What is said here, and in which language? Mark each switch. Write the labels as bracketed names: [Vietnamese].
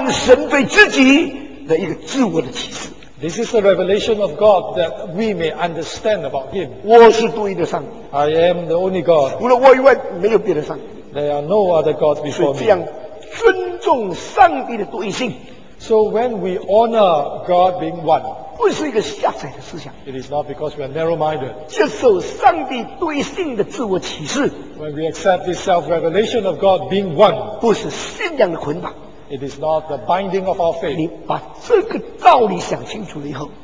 [Chinese] 这是神的启示，也就是使我们可明白神的有关神对自己的一个自我的启示。 [English] This is the revelation of God that we may understand about Him. [Chinese] 我是独一的上帝。 [English] I am the only God. [Chinese] 除了我以外，没有别的上帝。 [English] There are no other gods before me. [Chinese] 所以这样尊重上帝的独一性。 [English] So when we honor God being one, [Chinese] 不是一个狭窄的思想。 [English] It is not because we are narrow-minded. [Chinese] 接受上帝独一性的自我启示。 [English] When we accept this self-revelation of God being one, [Chinese] 不是信仰的捆绑。 [English] It is not the binding of our faith. [Chinese] 你把这个道理想清楚了以后,